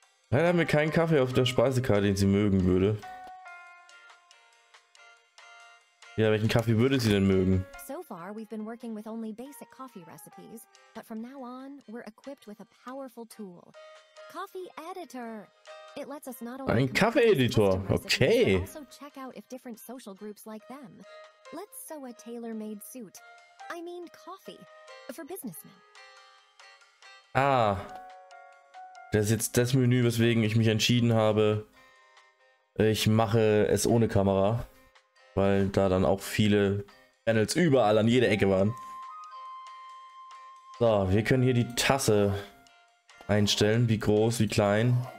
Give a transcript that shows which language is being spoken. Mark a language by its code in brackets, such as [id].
[de] Leider haben wir keinen Kaffee auf der Speisekarte, den sie mögen würde. Ja, welchen Kaffee würde sie denn mögen? [en] So far we've been working with only basic coffee recipes, but from now on we're equipped with a powerful tool. Coffee Editor. It lets us not only [de] ein Kaffee-Editor, okay. [en] Also check out if different social groups like them. Let's sew a tailor-made suit. I mean coffee for businessmen. Ah. [de] Das ist jetzt das Menü, weswegen ich mich entschieden habe. Ich mache es ohne Kamera, weil da dann auch viele Panels überall an jeder Ecke waren. So, wir können hier die Tasse einstellen, wie groß, wie klein.